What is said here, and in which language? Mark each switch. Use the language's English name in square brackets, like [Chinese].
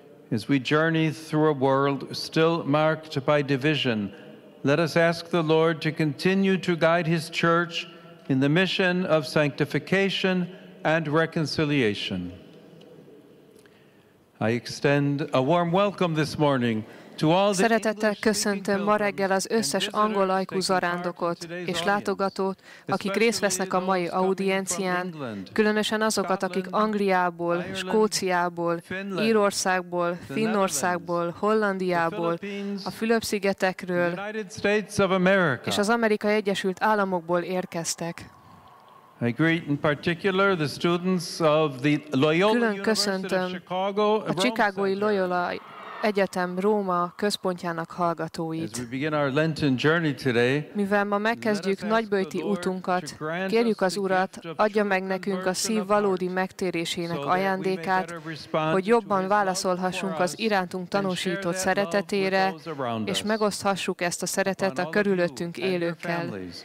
[English] As we journey through a world still marked by division, let us ask the Lord to continue to guide his Church in the mission of sanctification and reconciliation. I extend a warm welcome this morning to all the [Hungarian] szeretettel köszöntöm ma reggel az összes angol ajkú zarándokot és látogatót, akik részt vesznek a mai audiencián, különösen azokat, akik Angliából, Skóciából, Írországból, Finnországból, Hollandiából, a Fülöp-szigetekről és az Amerikai Egyesült Államokból érkeztek. [English] I greet in particular the students of the Loyola University of Chicago, [Hungarian] a Chicagói Loyola Egyetem Róma központjának hallgatóit. [English] As we begin our Lenten journey today, [Hungarian] mivel ma megkezdjük nagybőti útunkat, kérjük az Urat, adja meg nekünk a szív valódi megtérésének ajándékát, hogy jobban válaszolhassunk az irántunk tanúsított szeretetére, és megoszthassuk ezt a szeretet a körülöttünk élőkkel.